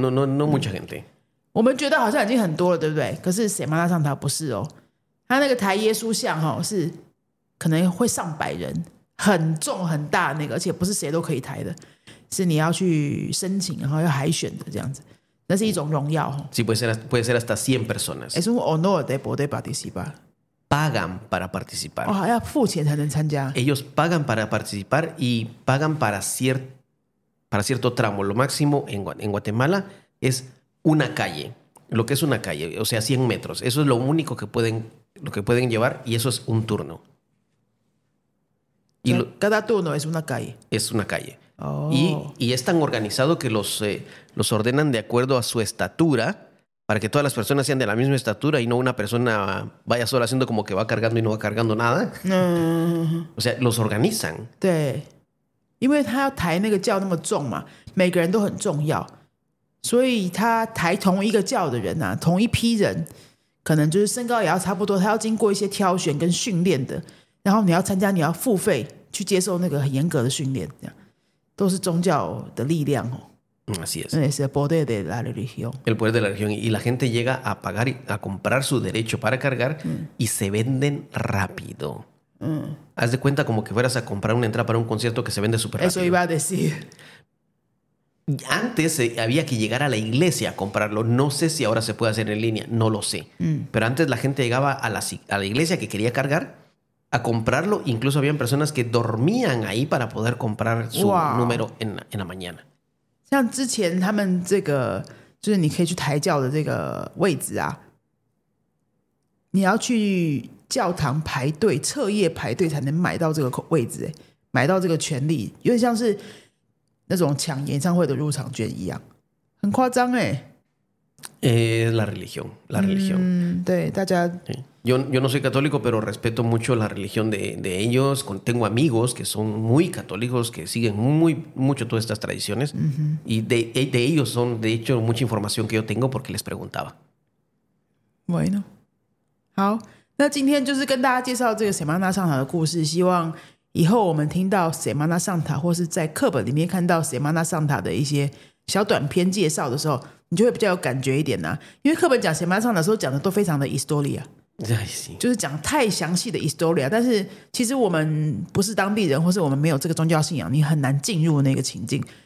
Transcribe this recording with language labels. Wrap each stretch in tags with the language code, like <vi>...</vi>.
<es>No, no, no, mucha gente.</es> <zh>我们觉得好像已经很多了，对不对？可是塞马拉上塔不是哦，他那个抬耶稣像哦，是可能会上百人，很重很大那个，而且不是谁都可以抬的，是你要去申请，然后要海选的这样子。那是一种荣耀。</zh> <es>Sí, puede ser hasta 100 personas. Es un honor de poder participar. Pagan para participar.</es> <zh>Oh, 要付钱才能参加。</zh> <es>Ellos pagan para participar y pagan para cierto tramo. Lo máximo en Guatemala es una calle. Lo que es una calle, o sea, 100 metros. Eso es lo único que pueden llevar y eso es un turno. Y cada turno es una calle. Es una calle. Oh. Y es tan organizado que los ordenan de acuerdo a su estatura para que todas las personas sean de la misma estatura y no una persona vaya sola haciendo como que va cargando y no va cargando nada. Mm. O sea, los organizan.</es> <zh>对，因为他要抬那个轿那么重嘛，每个人都很重要，所以他抬同一个轿的人啊，同一批人，可能就是身高也要差不多，他要经过一些挑选跟训练的，然后你要参加，你要付费去接受那个很严格的训练，这样。都是宗教的力量哦。</zh> <es>Así es. Es el poder de la religión. El poder de la religión. Y la gente llega a pagar, a comprar su derecho para cargar y se venden rápido. Haz de cuenta como que fueras a comprar una entrada para un concierto que se vende súper rápido. Eso iba a decir. Antes había que llegar a la iglesia a comprarlo. No sé si ahora se puede hacer en línea, no lo sé. Pero antes la gente llegaba a la iglesia que quería cargar. A comprarlo, incluso habían personas que dormían ahí para poder comprar su número en la mañana.</es> <zh>像之前他们这个，就是你可以去抬轿的这个位置啊，你要去教堂排队，彻夜排队才能买到这个位置，买到这个权利，有点像是那种抢演唱会的入场券一样，很夸张哎。</zh> <es>La religión, la religión.</es> <zh>对，大家。</zh> <es>Yo no soy católico, pero respeto mucho la religión de ellos. Tengo amigos que son muy católicos, que siguen muy, mucho todas estas tradiciones. Uh-huh. Y de ellos son, de hecho, mucha información que yo tengo porque les preguntaba. Bueno.</es> <zh>好，那今天就是跟大家介绍这个 Semana Santa 的故事，希望以后我们听到 Semana Santa 或是在课本里面看到 Semana Santa 的一些小短篇介绍的时候，你就会比较有感觉一点啊。因为课本讲 Semana Santa 的时候讲的都非常的 historia。就是讲太详细的 historia， 但是其实我们不是当地人，或是我们没有这个宗教信仰，你很难进入那个情境。</zh>